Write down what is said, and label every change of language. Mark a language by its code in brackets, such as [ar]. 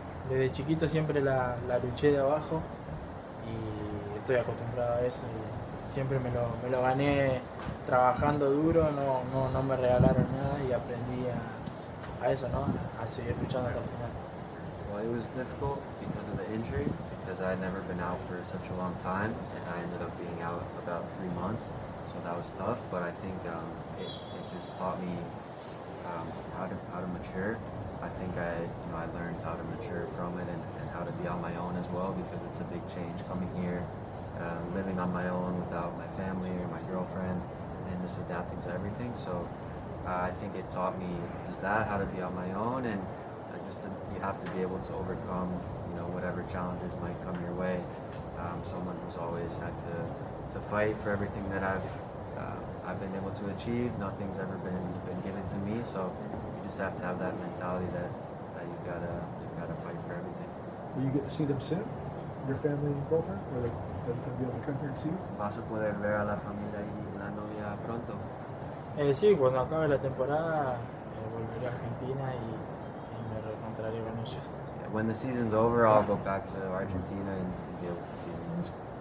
[es] Y desde chiquito siempre la luché de abajo y estoy acostumbrado a eso, y siempre me lo gané trabajando duro. No me regalaron nada y aprendí a eso, ¿no? A seguir luchando hasta el final. [en] Well, it was difficult because of the injury, because I had never been out for such a long time, and I ended up being out about 3 months, so that was tough. But I think it just taught me how to mature. I think I learned how to mature from it and how to be on my own as well, because it's a big change coming here, living on my own without my family or my girlfriend, and just adapting to everything. So I think it taught me just that, how to be on my own, and just you have to be able to overcome whatever challenges might come your way. Someone who's always had to fight for everything that I've been able to achieve. Nothing's ever been given to me, so you just have to have that mentality that you've gotta fight for everything. Will you get to see them soon? Your family and girlfriend? Or they'll be able to come here and see you? [es] ¿Vas a poder ver a la familia y la novia pronto? Sí, cuando acabe la temporada, volveré a Argentina y me reencontraré con ellos. [en] Yeah, when the season's over, I'll go back to Argentina and be able to see them.